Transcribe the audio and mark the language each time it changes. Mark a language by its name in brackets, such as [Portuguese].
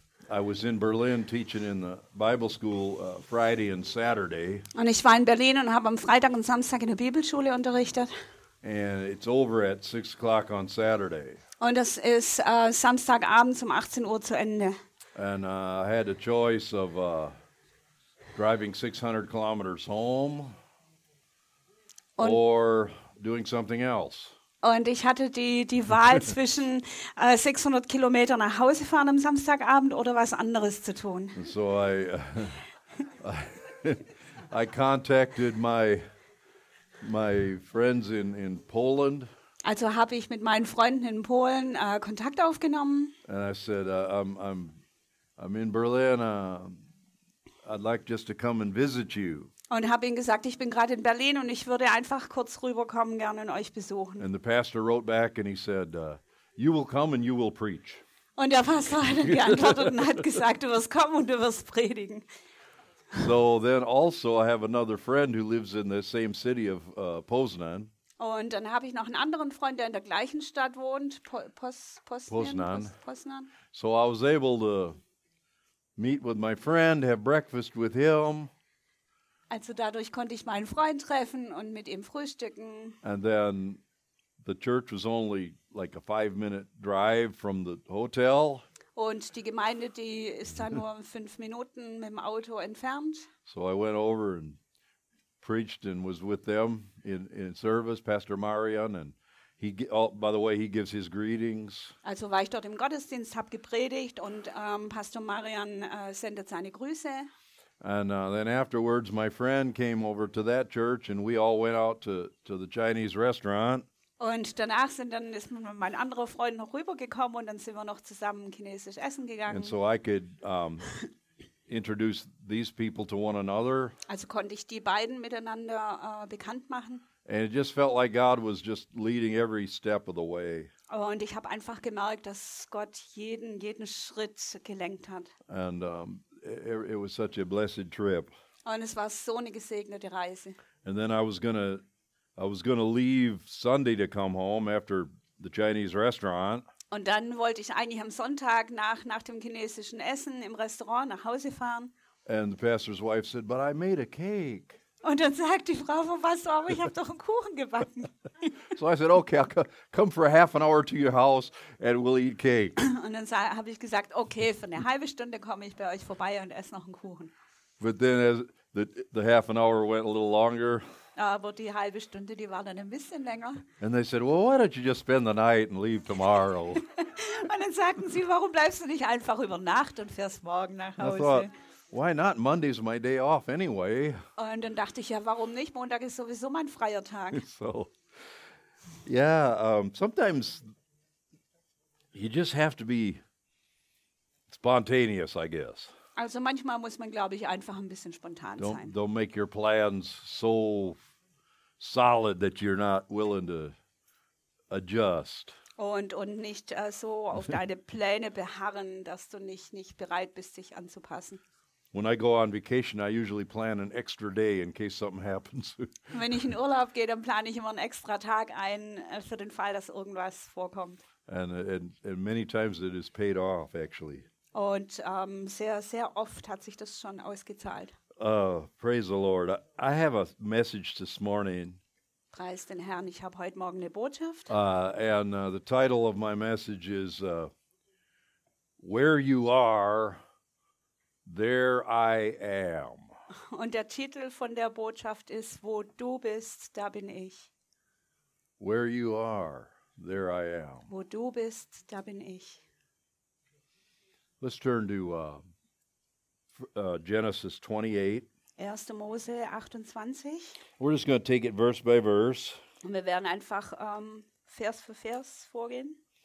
[English] I was in Berlin teaching in the Bible school Friday and Saturday. [German] Und ich war in Berlin und habe am Freitag und Samstag in der Bibelschule unterrichtet. [English] And it's over at 6 o'clock on Saturday. [German] Und das ist Samstagabend um 18 Uhr zu Ende. [English] And I had a choice of driving 600 kilometers home. Or doing something else. [German] Und ich hatte die Wahl zwischen 600 Kilometer nach Hause fahren am Samstagabend oder was anderes zu tun. [English] And so I contacted my friends in Poland. [German] Also habe ich mit meinen Freunden in Polen Kontakt aufgenommen. [English] And I said I'm in Berlin. I'd like just to come and visit you. [German] Und habe ihm gesagt, ich bin gerade in Berlin und ich würde einfach kurz rüberkommen, gerne und euch besuchen. [English] And the pastor wrote back and he said, you will come and you will preach. [German] Und der Pastor hat geantwortet und hat gesagt, du wirst kommen und du wirst predigen. [English] So then also I have another friend who lives in the same city of Poznan. [German] Und dann habe ich noch einen anderen Freund, der in der gleichen Stadt wohnt, Poznan. Poznan. [English] So I was able to meet with my friend, have breakfast with him. [German] Also dadurch konnte ich meinen Freund treffen und mit ihm frühstücken. [English] And then the church was only like a 5-minute drive from the hotel. [German] Und die Gemeinde, die ist da nur 5 Minuten mit dem Auto entfernt. [English] So I went over and preached and was with them in service, Pastor Marian. And by the way, he gives his greetings. [German] Also war ich dort im Gottesdienst, habe gepredigt und Pastor Marian sendet seine Grüße. [English] And then afterwards, my friend came over to that church, and we all went out to the Chinese restaurant. [German] Und danach ist mein anderer Freund noch rübergekommen, und dann sind wir noch zusammen chinesisch essen gegangen. [English] And so I could introduce these people to one another. [German] Also konnte ich die beiden miteinander bekannt machen. [English] And it just felt like God was just leading every step of the way. [German] Und ich habe einfach gemerkt, dass Gott jeden Schritt gelenkt hat. [English] And it was such a blessed trip. [German] Und es war so eine gesegnete Reise. [English] And then I was gonna leave Sunday to come home after the Chinese restaurant. [German] Und dann wollte ich eigentlich am Sonntag nach dem chinesischen Essen im Restaurant nach Hause fahren. [English] And the pastor's wife said, "But I made a cake." [German] Und dann sagt die Frau vom Pastor, aber ich habe doch einen Kuchen gebacken. [English] So I said, okay, I'll come for a half an hour to your house and we'll eat cake. [German] Und dann habe ich gesagt, okay, für eine halbe Stunde komme ich bei euch vorbei und esse noch einen Kuchen. [English] But then as the half an hour went a little longer. [German] Aber die halbe Stunde, die war dann ein bisschen länger. [English] And they said, well, why don't you just spend the night and leave tomorrow? [German] Und dann sagten sie, warum bleibst du nicht einfach über Nacht und fährst morgen nach Hause? [English] I thought, why not? Monday's my day off anyway. [German] Und dann dachte ich, ja, warum nicht? Montag ist sowieso mein freier Tag. [English] So, yeah, sometimes you just have to be spontaneous, I guess. [German] Also manchmal muss man, glaube ich, einfach ein bisschen spontan sein. [English] Don't make your plans so solid that you're not willing to adjust. [German] Und nicht so auf deine Pläne beharren, dass du nicht bereit bist, dich anzupassen. [English] When I go on vacation, I usually plan an extra day in case something happens. [German] Wenn ich in Urlaub gehe, dann plane ich immer einen extra Tag ein für den Fall, dass irgendwas vorkommt. [English] And many times it is paid off, actually. [German] Und sehr sehr oft hat sich das schon ausgezahlt. [English] Praise the Lord. I have a message this morning. [German] Preis den Herrn, ich habe heute Morgen eine Botschaft. [English] And the title of my message is Where You Are, There I Am. [German] Und der Titel von der Botschaft ist, wo du bist, da bin ich. [English] Where you are, there I am. [German] Wo du bist, da bin ich. [English] Let's turn to Genesis 28. [German] 1. Mose 28. [English] We're just going to take it verse by verse. [German] Und wir werden einfach Vers für Vers vorgehen.